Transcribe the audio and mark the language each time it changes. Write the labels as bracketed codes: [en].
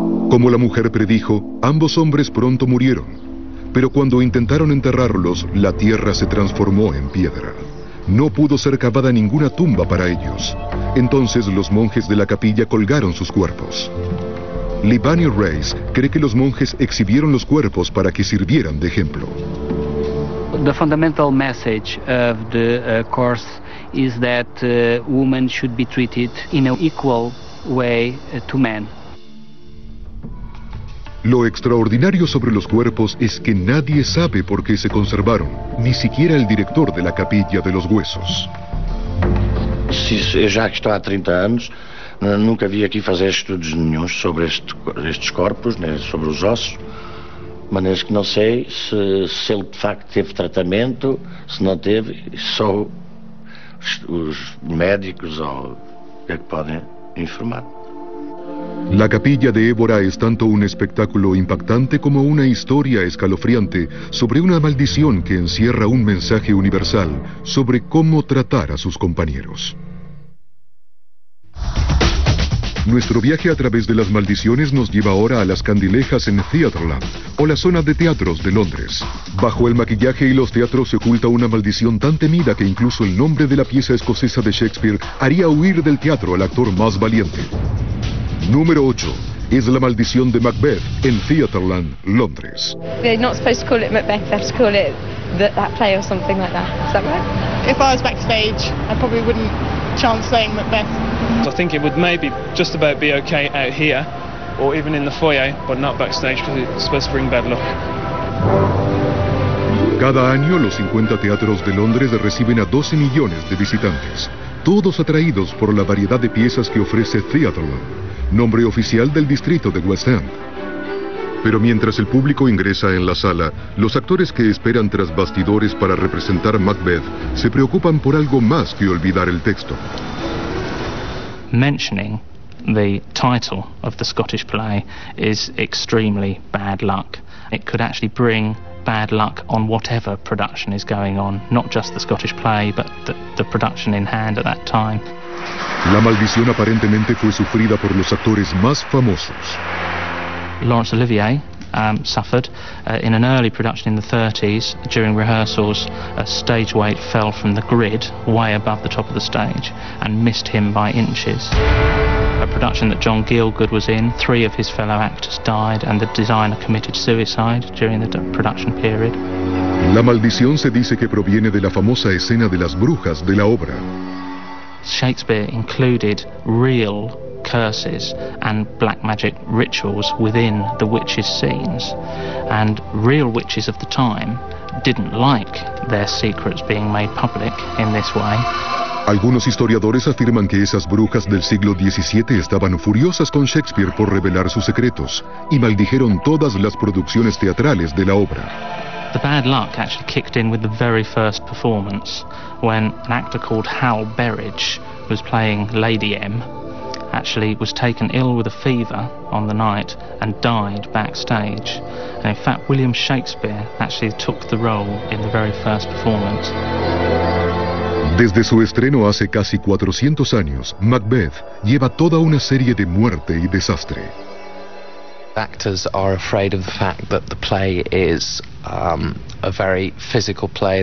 [es] Como la mujer predijo, ambos hombres pronto murieron. Pero cuando intentaron enterrarlos, la tierra se transformó en piedra. No pudo ser cavada ninguna tumba para ellos. Entonces los monjes de la capilla colgaron sus cuerpos. Libani Reis cree que los monjes exhibieron los cuerpos para que sirvieran de ejemplo. [en] The fundamental message of the course is that women should be treated in an equal way to men. [es] Lo extraordinario sobre los cuerpos es que nadie sabe por qué se conservaron, ni siquiera el director de la capilla de los huesos. Sí, ya que estoy a 30 años, nunca vi aquí hacer estudios [pt] nenhum [es] sobre estos cuerpos, ni sobre los [pt] ossos. Maneiras que não sei se ele de facto teve tratamento, se não teve, só os médicos ou é que podem informar. [es] La capilla de Évora es tanto un espectáculo impactante como una historia escalofriante sobre una maldición que encierra un mensaje universal sobre cómo tratar a sus compañeros. Nuestro viaje a través de las maldiciones nos lleva ahora a las candilejas en Theatreland, o la zona de teatros de Londres. Bajo el maquillaje y los teatros se oculta una maldición tan temida que incluso el nombre de la pieza escocesa de Shakespeare haría huir del teatro al actor más valiente. Número 8 es la maldición de Macbeth en Theatreland, Londres. [en] They're not supposed to call it Macbeth, they have to call it that play or something like that. Is that right? If I was backstage, I probably wouldn't chance saying Macbeth. I think it would maybe just about be okay out here, or even in the foyer, but not backstage because it's supposed to bring bad luck. [es] Cada año, los 50 teatros de Londres reciben a 12 millones de visitantes, todos atraídos por la variedad de piezas que ofrece Theatreland, nombre oficial del distrito de West End. Pero mientras el público ingresa en la sala, los actores que esperan tras bastidores para representar Macbeth se preocupan por algo más que olvidar el texto. [en] Mentioning the title of the Scottish play is extremely bad luck. It could actually bring bad luck on whatever production is going on, not just the Scottish play, but the production in hand at that time. [es] La maldición aparentemente fue sufrida por los actores más famosos. [en] Laurence Olivier suffered in an early production in the 30s during rehearsals. A stage weight fell from the grid way above the top of the stage and missed him by inches. A production that John Gielgud was in, three of his fellow actors died and the designer committed suicide during the production period. [es] La maldición se dice que proviene de la famosa escena de las brujas de la obra. [en] Shakespeare included real curses and black magic rituals within the witches' scenes, and real witches of the time didn't like their secrets being made public in this way. [es] Algunos historiadores afirman que esas brujas del siglo XVII estaban furiosas con Shakespeare por revelar sus secretos y maldijeron todas las producciones teatrales de la obra. [en] The bad luck actually kicked in with the very first performance, when an actor called Hal Berridge was playing Lady M, actually was taken ill with a fever on the night and died backstage. And in fact, William Shakespeare actually took the role in the very first performance. [es] Desde su estreno hace casi 400 años, Macbeth lleva toda una serie de muerte y desastre. [en] Actors are afraid of the fact that the play is a very physical play.